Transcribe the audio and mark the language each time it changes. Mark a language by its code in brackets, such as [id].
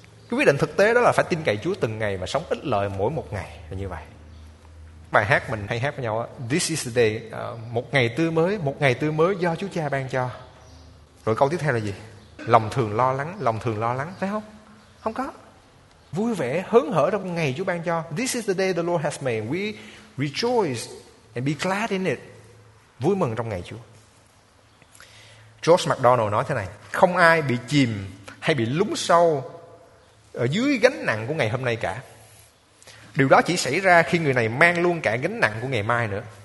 [vi] Cái quyết định thực tế đó là phải tin cậy Chúa từng ngày và sống ích lợi mỗi một ngày là như vậy. Bài hát mình hay hát với nhau á, [en] this is the day, [vi] một ngày tươi mới do Chúa Cha ban cho. Rồi câu tiếp theo là gì? Lòng thường lo lắng, phải không? Không có. Vui vẻ, hớn hở trong ngày Chúa ban cho. [en] This is the day the Lord has made, we rejoice and be glad in it. [vi] Vui mừng trong ngày Chúa. George MacDonald nói thế này: không ai bị chìm hay bị lún sâu ở dưới gánh nặng của ngày hôm nay cả. Điều đó chỉ xảy ra khi người này mang luôn cả gánh nặng của ngày mai nữa.